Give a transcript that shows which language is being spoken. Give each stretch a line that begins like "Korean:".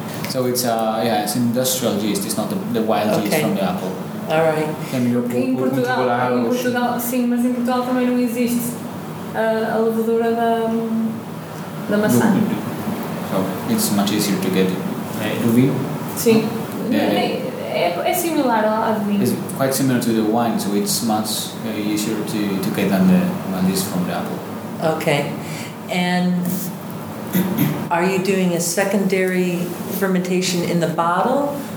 English: So it's it's industrial yeast. It's not the wild okay. yeast from the apple. All right. Can you in Portugal,
Portuguese: sim, mas em Portugal também não existe a levedura da maçã.
English: So it's much easier to get
Portuguese: do vinho. Sim. É similar ao vinho.
English: It's quite similar to the wine, so it's much easier to get than the wild yeast from the apple. Okay, and are you doing a secondary fermentation in the bottle?